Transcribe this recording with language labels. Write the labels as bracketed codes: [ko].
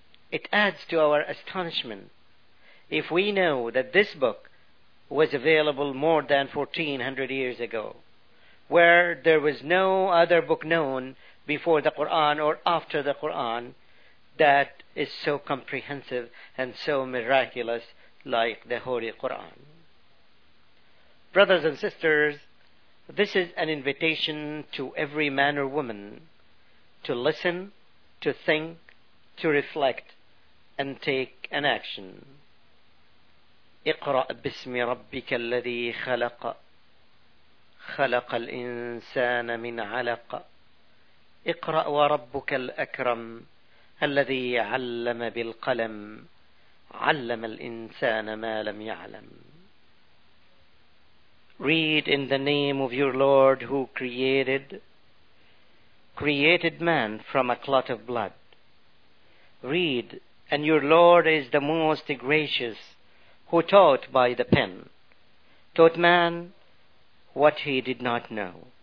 [en] It adds to our astonishment if we know that this book was available more than 1400 years ago, where there was no other book known before the Quran or after the Quran that is so comprehensive and so miraculous like the Holy Quran. Brothers and sisters, this is an invitation to every man or woman to listen, to think, to reflect, and take an action. [ar] اقرأ باسم ربك الذي خلق خلق الإنسان من علق اقرأ وربك الأكرم الذي علم بالقلم علم الإنسان ما لم يعلم. [en] Read in the name of your Lord who created man from a clot of blood. Read, and your Lord is the most gracious, who taught by the pen, taught man what he did not know.